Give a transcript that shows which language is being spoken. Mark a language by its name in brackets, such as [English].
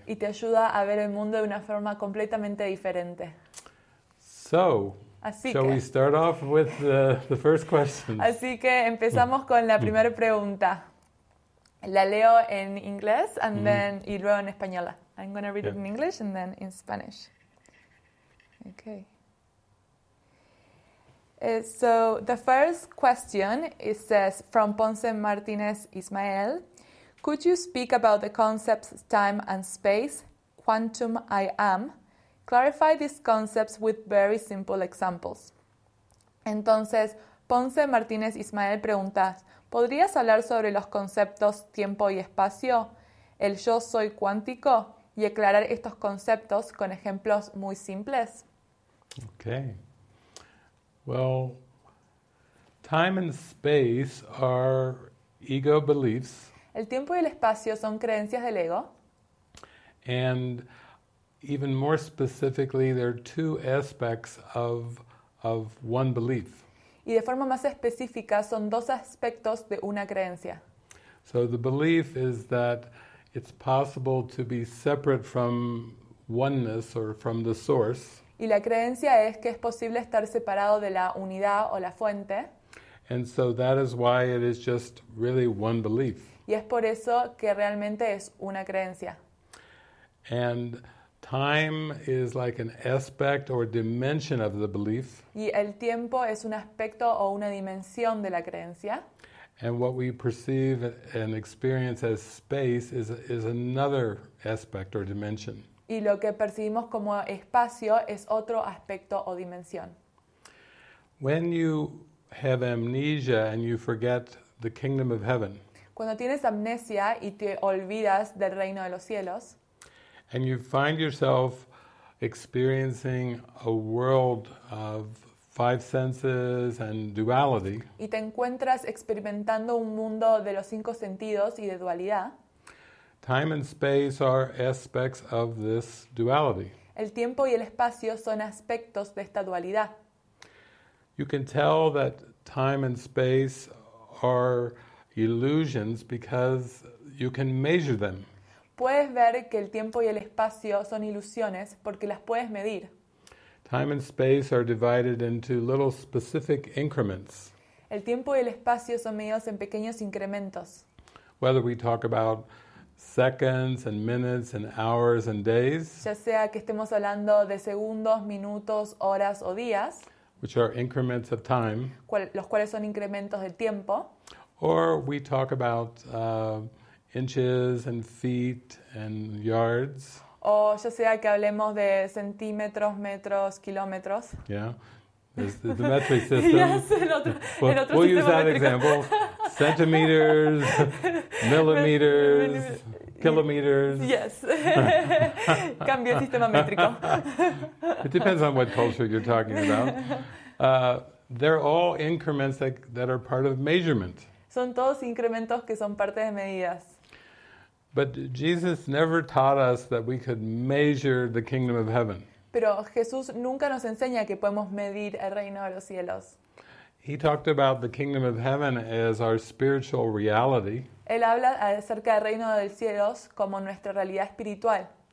[Spanish] Y te ayuda a ver el mundo de una forma completamente diferente. [English] So, [Spanish] así [English] shall [Spanish] que, [English] we start off with the first question? [Spanish] Así que empezamos con la primera pregunta. La leo en inglés [English] and then [Spanish] y luego en española. [English] I'm going to read it in English and then in Spanish. Okay. So the first question it says from Ponce Martinez Ismael, could you speak about the concepts time and space, quantum I am? Clarify these concepts with very simple examples. [Spanish] Entonces, Ponce Martinez Ismael pregunta, ¿podrías hablar sobre los conceptos tiempo y espacio, el yo soy cuántico y aclarar estos conceptos con ejemplos muy simples? [English] Okay. Well, time and space are ego beliefs. [Spanish] El tiempo y el espacio son creencias del ego. [English] And even more specifically, there are two aspects of one belief. [Spanish] Y de forma más específica, son dos aspectos de una creencia. [English] So the belief is that it's possible to be separate from oneness or from the source. [Spanish] Y la creencia es que es posible estar separado de la unidad o la fuente. [English] And so that is why it is just really one belief. [Spanish] Y es por eso que realmente es una creencia. [English] And time is like an aspect or dimension of the belief. [Spanish] Y el tiempo es un aspecto o una dimensión de la creencia. [English] And what we perceive and experience as space is another aspect or dimension. [Spanish] Y lo que percibimos como espacio es otro aspecto o dimensión. [English] When you have amnesia and you forget the kingdom of heaven. [Spanish] Cuando tienes amnesia y te olvidas del reino de los cielos. [English] And you find yourself experiencing a world of five senses and duality. [Spanish] Y te encuentras experimentando un mundo de los cinco sentidos y de dualidad. [English] Time and space are aspects of this duality. [Spanish] El tiempo y el espacio son aspectos de esta dualidad. [English] You can tell that time and space are illusions because you can measure them. [Spanish] Puedes ver que el tiempo y el espacio son ilusiones porque las puedes medir. [English] Time and space are divided into little specific increments. [Spanish] El tiempo y el espacio son medidos en pequeños incrementos. [English] Whether we talk about seconds and minutes and hours and days, [Spanish] ya sea que estemos hablando de segundos, minutos, horas o días, [English] which are increments of time, [Spanish] los cuales son incrementos de tiempo, [English] or we talk about inches and feet and yards, [Spanish] o ya sea que hablemos de centímetros, metros, kilómetros. [English] Yeah, the metric system. Yes, we'll use that example. Centimeters, millimeters, kilometers. [Spanish] Yes. Cambio el sistema métrico. [English] It depends on what culture you're talking about. They're all increments that are part of measurement. [Spanish] Son todos incrementos que son parte de medidas. [English] But Jesus never taught us that we could measure the kingdom of heaven. [Spanish] Pero Jesús nunca nos enseña que podemos medir el reino de los cielos. [English] He talked about the kingdom of heaven as our spiritual reality. [Spanish] Él habla acerca del reino de los cielos como nuestra realidad espiritual.